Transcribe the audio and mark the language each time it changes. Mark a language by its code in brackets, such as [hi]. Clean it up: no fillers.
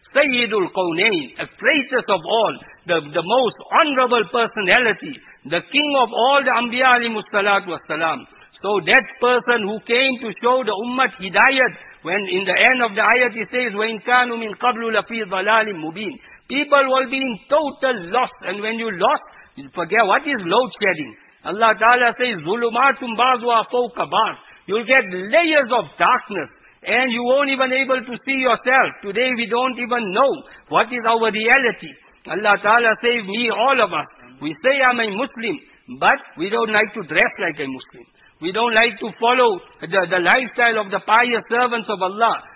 [en] Sayyidul Qawnain, a greatest of all, the most honorable personality, the king of all the Anbiya alayhi salatu wasalam. So that person who came to show the ummah hidayat, when in the end of the ayat he says, [ar] وَإِن كَانُوا مِنْ قَبْلُ لَفِي ضَلَالٍ مُبِينٍ. [en] People will be in total loss. And when you lost, you forget what is load shedding. Allah Ta'ala says, [ar] ظُلُمَاتٌ بَعْضُهَا فَوْقَ بَعْضٍ. [en] You'll get layers of darkness. And you won't even able to see yourself. Today we don't even know what is our reality. Allah Ta'ala save me, all of us. We say I'm a Muslim, but we don't like to dress like a Muslim. We don't like to follow the lifestyle of the pious servants of Allah.